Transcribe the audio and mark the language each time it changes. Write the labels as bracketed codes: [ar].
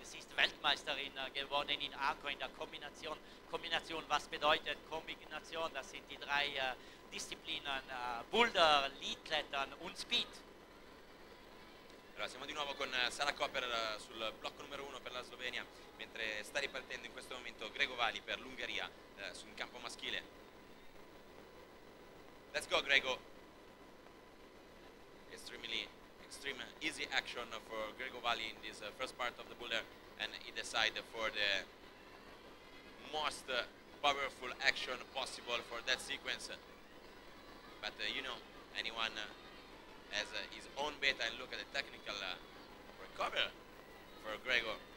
[de] Sie ist Weltmeisterin geworden in Arco in der Kombination. Kombination, was bedeutet Kombination? Das sind die drei Disziplinen, Boulder, Lead-Klettern und Speed. [it] Allora, siamo di nuovo con Sara Kopar sul blocco numero 1 per la Slovenia, mentre sta ripartendo in questo momento Gregor Valli per l'Ungheria sul campo maschile. [en] Let's go, Gregor. Extreme easy action for Gregor Valli in this first part of the boulder, and he decided for the most powerful action possible for that sequence. But you know, anyone has his own beta, and look at the technical recovery for Gregor.